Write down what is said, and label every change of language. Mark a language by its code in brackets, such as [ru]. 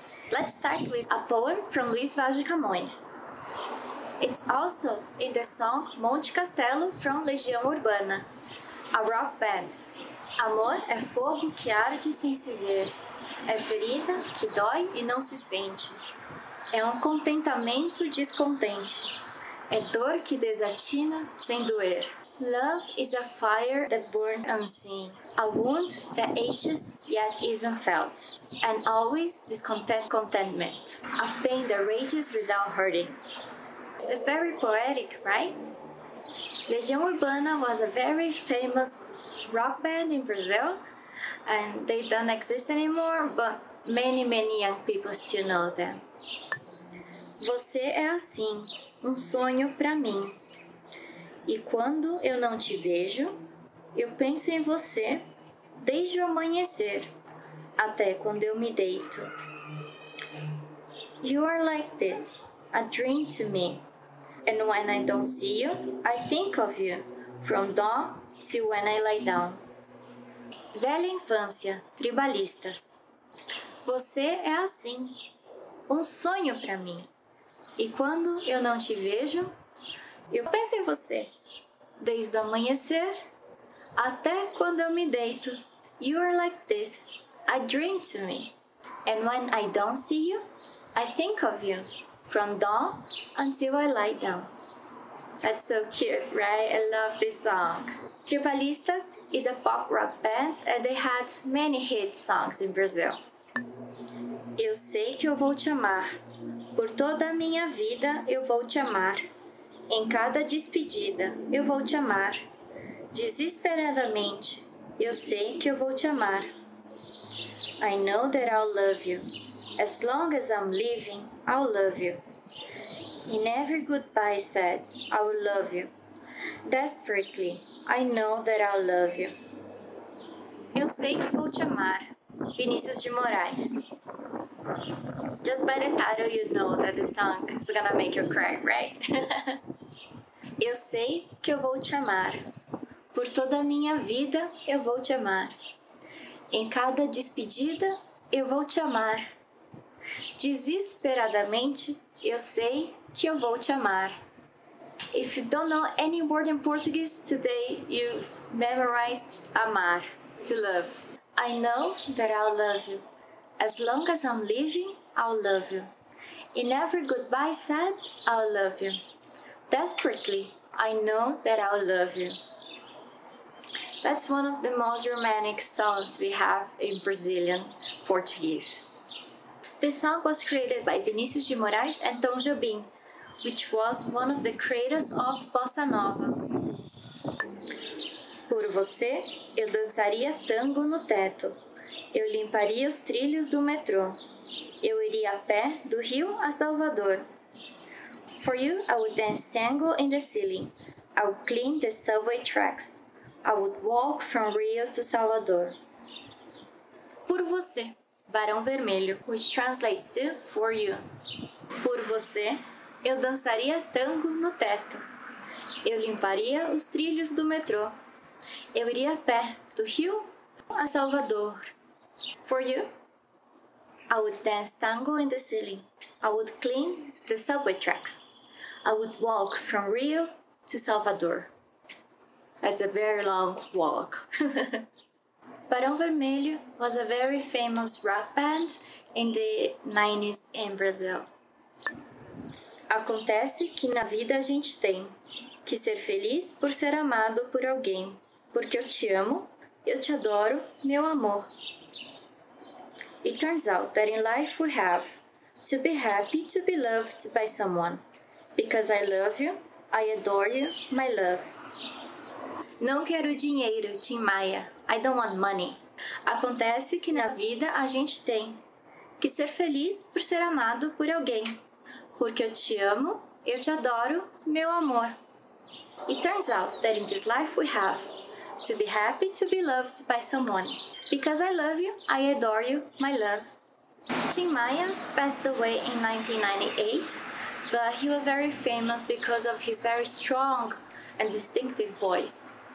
[en] Let's start with a poem from Luiz Vaz de Camões. It's also in the song Monte Castelo from Legião Urbana, a rock band. [pt] Amor é fogo que arde sem se ver. É ferida que dói e não se sente. É contentamento descontente. É dor que desatina sem doer. [en] Love is a fire that burns unseen. A wound that ages yet isn't felt. And always discontent contentment. A pain that rages without hurting. It's very poetic, right? Legião Urbana was a very famous rock band in Brazil, and they don't exist anymore, but many, many young people still know them. [pt] Você é assim, sonho pra mim. E quando eu não te vejo, eu penso em você desde o amanhecer até quando eu me deito. [en] You are like this, a dream to me. And when I don't see you, I think of you, from dawn till when I lie down. [pt] Velha infância, tribalistas. Você é assim, sonho pra mim. E quando eu não te vejo, eu penso em você, desde o amanhecer até quando eu me deito. [en] You are like this, a dream to me. And when I don't see you, I think of you. From dawn until I lie down. That's so cute, right? I love this song. Tribalistas is a pop rock band and they had many hit songs in Brazil. [pt] Eu sei que eu vou te amar. Por toda a minha vida eu vou te amar. Em cada despedida eu vou te amar. Desesperadamente, eu sei que eu vou te amar. [en] I know that I'll love you. As long as I'm living, I'll love you. In every goodbye said, I will love you. Desperately, I know that I'll love you. [pt] Eu sei que vou te amar. Vinícius de Moraes. [en] Just by the title, you know that the song is gonna make you cry, right? [pt] Eu sei que eu vou te amar. Por toda a minha vida, eu vou te amar. Em cada despedida, eu vou te amar. Desesperadamente, eu sei que eu vou te amar. [en] If you don't know any word in Portuguese today, you've memorized amar, to love. I know that I'll love you. As long as I'm living, I'll love you. In every goodbye said, I'll love you. Desperately, I know that I'll love you. That's one of the most romantic songs we have in Brazilian Portuguese. The song was created by Vinícius de Moraes and Tom Jobim, which was one of the creators of Bossa Nova. [pt] Por você, eu dançaria tango no teto. Eu limparia os trilhos do metrô. Eu iria a pé do Rio a Salvador. [en] For you, I would dance tango in the ceiling. I would clean the subway tracks. I would walk from Rio to Salvador. [pt] Por você, [en] Barão Vermelho, which translates to for you. [pt] Por você, eu dançaria tango no teto. Eu limparia os trilhos do metrô. Eu iria a pé do Rio a Salvador. [en] For you, I would dance tango in the ceiling. I would clean the subway tracks. I would walk from Rio to Salvador. That's a very long walk. Barão Vermelho was a very famous rock band in the 90s in Brazil. [pt] Acontece que na vida a gente tem que ser feliz por ser amado por alguém. Porque eu te amo, eu te adoro, meu amor. [en] It turns out that in life we have to be happy to be loved by someone. Because I love you, I adore you, my love. [pt] Não quero dinheiro, [en] Tim Maia. I don't want money. [pt] Acontece que na vida a gente tem que ser feliz por ser amado por alguém. Porque eu te amo, eu te adoro, meu amor. [en] It turns out that in this life we have to be happy to be loved by someone. Because I love you, I adore you, my love. Tim Maia passed away in 1998, but he was very famous because of his very strong and distinctive voice.